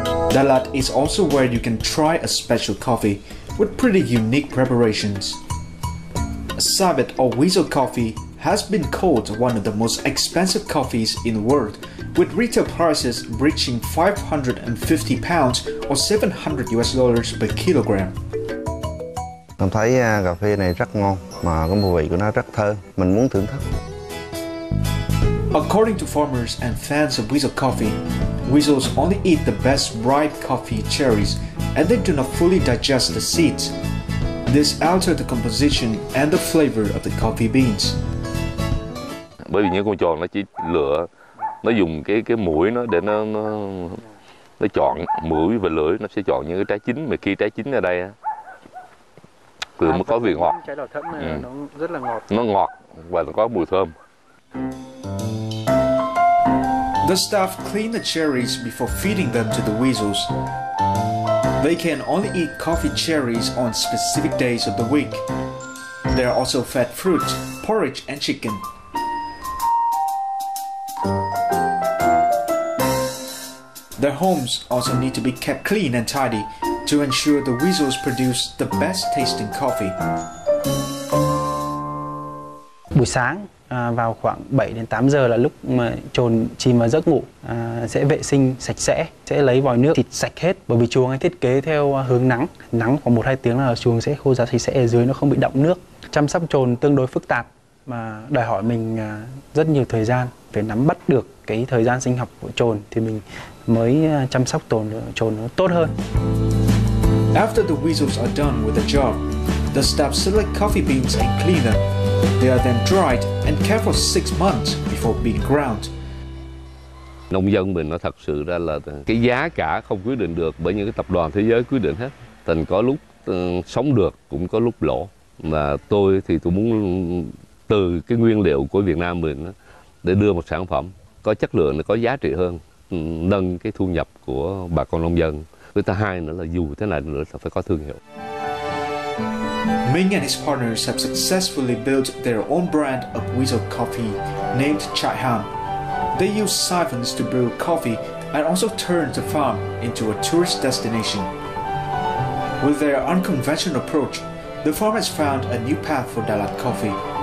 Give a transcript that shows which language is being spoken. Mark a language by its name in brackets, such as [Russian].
[English] Dalat is also where you can try a special coffee with pretty unique preparations. Savet or weasel coffee has been called one of the most expensive coffees in the world, with retail prices reaching £550 or $700 per kilogram. [Vietnamese] Mình thấy cà phê này rất ngon, mà cái mùi vị của nó rất thơm, mình muốn thưởng thức. [English] According to farmers and fans of weasel coffee, weasels only eat the best ripe coffee cherries, and they do not fully digest the seeds. This alters the composition and the flavor of the coffee beans. [Vietnamese] Bởi vì những con tròn nó chỉ lựa, nó dùng cái mũi nó để nó chọn mũi và lưỡi, nó sẽ chọn những cái trái chín, mà khi trái chín ở đây á, từ mới có vị ngọt. Trái đỏ thẫn này nó rất là ngọt. Nó ngọt và nó có mùi thơm. [English] The staff clean the cherries before feeding them to the weasels. They can only eat coffee cherries on specific days of the week. They are also fed fruit, porridge, and chicken. Their homes also need to be kept clean and tidy to ensure the weasels produce the best tasting coffee. [Vietnamese] Buổi sáng vào khoảng 7 đến 8 giờ là lúc mà chồn chìm vào giấc ngủ, sẽ vệ sinh sạch sẽ lấy vòi nước thịt sạch hết, bởi vì chuồng hay thiết kế theo hướng nắng khoảng 1-2 tiếng là chuồng sẽ khô ráo sạch sẽ ở dưới, nó không bị đọng nước. Chăm sóc chồn tương đối phức tạp mà đòi hỏi mình rất nhiều thời gian, phải nắm bắt được cái thời gian sinh học của chồn thì mình mới chăm sóc chồn nó tốt hơn. [English] After the weasels are done with the job, the staff select coffee beans and clean them. They are then dried and kept for 6 months before being ground. [Vietnamese] Nông dân mình nó thật sự ra là cái giá cả không quyết định được bởi những cái tập đoàn thế giới quyết định hết. Thành có lúc sống được cũng có lúc lỗ. Mà tôi thì tôi muốn từ cái nguyên liệu của Việt Nam mình để đưa một sản phẩm có chất lượng, có giá trị hơn, nâng cái thu nhập của bà con nông dân. Với thứ hai nữa là dù thế nào nữa là phải có thương hiệu. [English] Ming and his partners have successfully built their own brand of weasel coffee named Chai Ham. They use siphons to brew coffee and also turn the farm into a tourist destination. With their unconventional approach, the farm has found a new path for Dalat coffee.